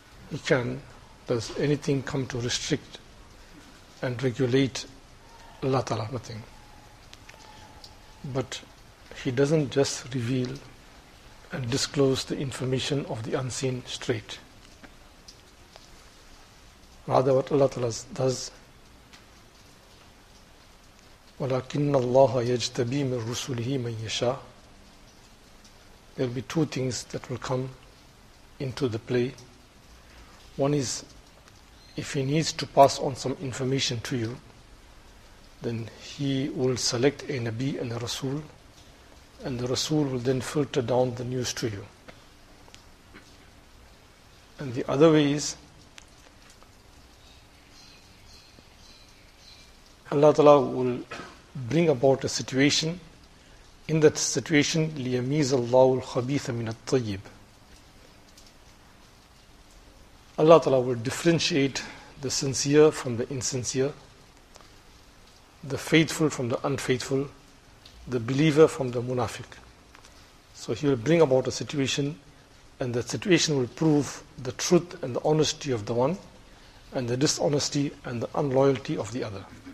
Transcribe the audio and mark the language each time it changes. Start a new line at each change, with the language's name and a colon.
English: He can, does anything come to restrict and regulate Allah Ta'ala, nothing. But He doesn't just reveal and disclose the information of the unseen straight. Rather, what Allah Ta'ala does,
Arabic: وَلَكِنَّ اللَّهَ يَجْتَبِي مِنْ رُسُلِهِ مَنْ يَشَاء.
English: There'll be two things that will come into the play. One is, if He needs to pass on some information to you, then He will select a Nabi and a Rasul, and the Rasul will then filter down the news to you. And the other way is, Allah Ta'ala will bring about a situation. In that situation,
Arabic: لِيَمِيزَ اللَّهُ الْخَبِيثَ مِنَ الطَّيِّبِ.
English: Allah Ta'ala will differentiate the sincere from the insincere, the faithful from the unfaithful, the believer from the munafiq. So He will bring about a situation, and that situation will prove the truth and the honesty of the one, and the dishonesty and the unloyalty of the other.